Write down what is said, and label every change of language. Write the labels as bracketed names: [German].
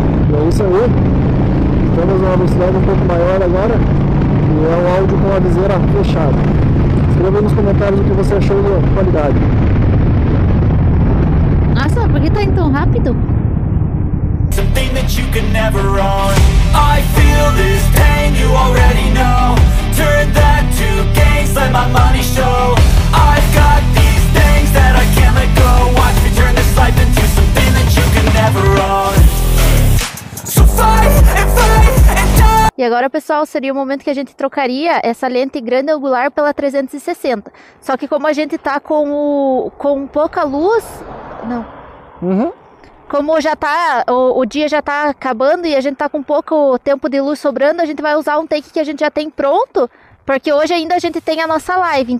[Portuguese] E é isso aí. Estamos numa velocidade um pouco maior agora. E é o áudio com a viseira fechada. Escreva aí nos comentários o que você achou da qualidade. Nossa, por que tá indo tão rápido? [English] Something that you can never own. I feel this pain, you already know. Turn that to gains, let my money show. I've got these things that I can't let go. Watch me turn this life into something that you can never own. So fight and fight and die. [Portuguese] E agora? agora, pessoal, seria o momento que a gente trocaria essa lente grande angular pela 360. Só que como a gente tá com pouca luz... Não. Uhum. Como já tá, o dia já tá acabando e a gente tá com pouco tempo de luz sobrando, a gente vai usar um take que a gente já tem pronto, porque hoje ainda a gente tem a nossa live.